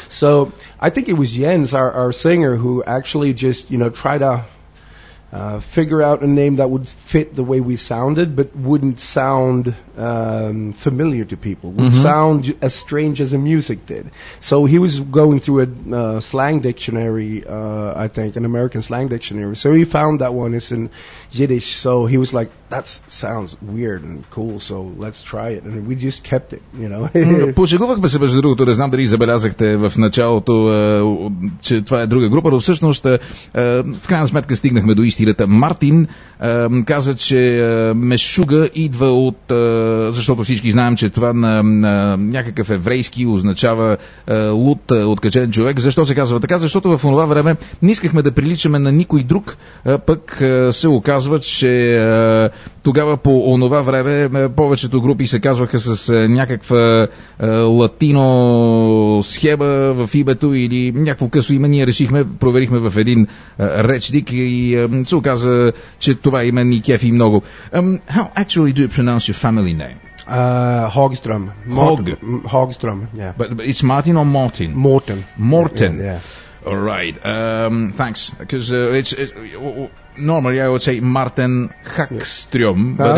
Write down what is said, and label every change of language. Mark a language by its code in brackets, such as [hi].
[en] So I think it was Jens, our singer, who actually just, try to figure out a name that would fit the way we sounded, but wouldn't sound familiar to people, would sound as strange as the music did. So he was going through a slang dictionary, I think, an American slang dictionary. So he found that one. It's in Yiddish. So he was like, that sounds weird and cool, so let's try it. And we just kept it, [bg] Пошегувахме се, между другото, не знам дали забелязахте в началото, че това е друга група, но всъщност, в крайна сметка, стигнахме до истината. Мартин каза, че Meshuggah идва от... защото всички знаем, че това на някакъв еврейски означава луд, откачен човек. Защо се казва така? Защото в това време не искахме да приличаме на никой друг, пък се оказва, че... Тогава по онова време повечето групи се казваха с някаква латино схема в името или някакво късо име. Ние решихме, проверихме в един речник и се оказа, че това име ни кефи много. [en] How actually do you pronounce your family name? Hogstrom. Hogstrom, yeah. But it's Martin or Morten? Morten. Morten. Yeah. All right. Thanks. Because normally I would say Martin Hagström, but